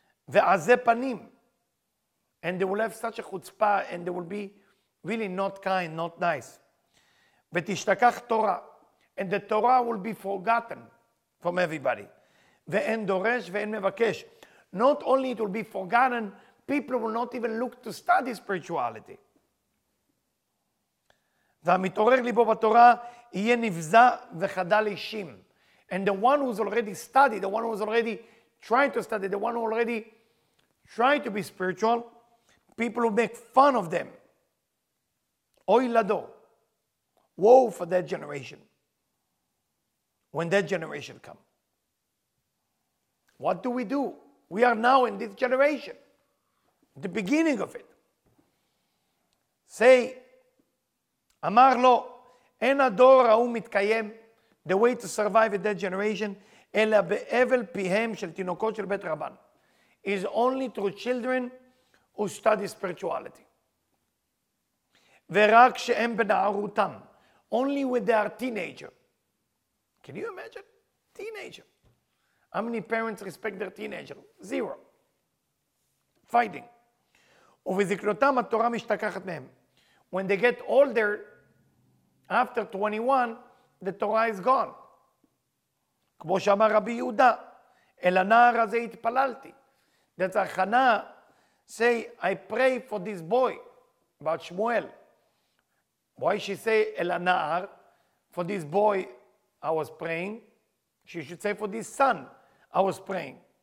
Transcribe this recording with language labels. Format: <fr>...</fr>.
<he>Ve'azeh panim.</he> <en>And they will have such a chutzpah and they will be really not kind, not nice.</en> <he>Ve'tishtakach Torah.</he> <en>And the Torah will be forgotten from everybody.</en> <he>Ve'en doresh ve'en mevakesh.</he> <en>Not only it will be forgotten, people will not even look to study spirituality.</en> <he>והמתעורר ליבו בתורה יהיה נבזע וחדל אישים.</he> <en>And the one who's already studied, the one who's already trying to study, the one who already trying to be spiritual, people will make fun of them.</en> <he>Oy lado.</he> <en>Woe for that generation. When that generation come. What do we do? We are now in this generation. The beginning of it. Say,</en> <he>אמר לו, אין הדור ההוא מתקיים,</he> <en>the way to survive in that generation,</en> <he>אלא באבל פיהם של תינוקות של בית רבן,</he> <en>is only through children who study spirituality.</en> <he>ורק שהם בנערותם,</he> <en>only when they are teenager. Can you imagine? Teenager. How many parents respect their teenager? Zero. Fighting.</en> <he>ובזקנותם התורה משתכחת מהם.</he> <en>When they get older, after 21, the Torah is gone.</en> <he>כמו שאמר רבי יהודה, אל הנער הזה התפללתי.</he> <en>That's a Hana, say, I pray for this boy, about Shmuel. Why she say,</en> <he>אל הנער,</he> <en>for this boy, I was praying. She should say, for this son, I was praying.</en>